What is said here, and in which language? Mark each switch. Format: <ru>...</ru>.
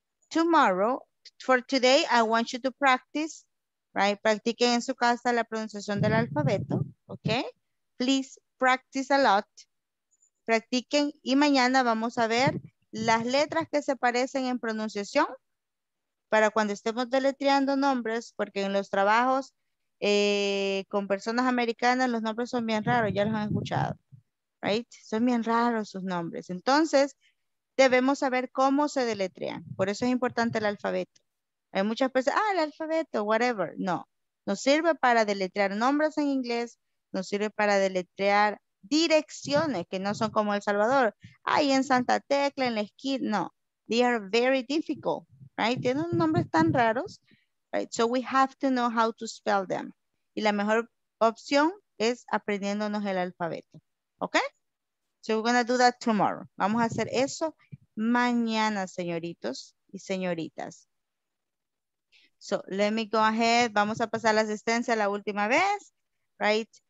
<en>Tomorrow, for today, I want you to practice, right?</en> <es>Practiquen en su casa la pronunciación del alfabeto, okay?</es> <en>Please practice a lot.</en> <es>Practiquen y mañana vamos a ver las letras que se parecen en pronunciación para cuando estemos deletreando nombres, porque en los trabajos con personas americanas los nombres son bien raros, ya los han escuchado.</es> <en>Right?</en> <es>Son bien raros sus nombres. Entonces, debemos saber cómo se deletrean. Por eso es importante el alfabeto. Hay muchas personas, ah, el alfabeto, whatever. No, nos sirve para deletrear nombres en inglés, nos sirve para deletrear direcciones que no son como El Salvador. Ahí en Santa Tecla, en la esquina, no.</es> <en>They are very difficult, right?</en> <es>Tienen nombres tan raros,</es> <en>right? So we have to know how to spell them.</en> <es>Y la mejor opción es aprendiéndonos el alfabeto.</es> <en>Okay, so we're gonna do that tomorrow.</en> <es>Vamos a hacer eso mañana, señoritos y señoritas.</es> <en>So let me go ahead.</en> <es>Vamos a pasar la asistencia la última vez, right?</es>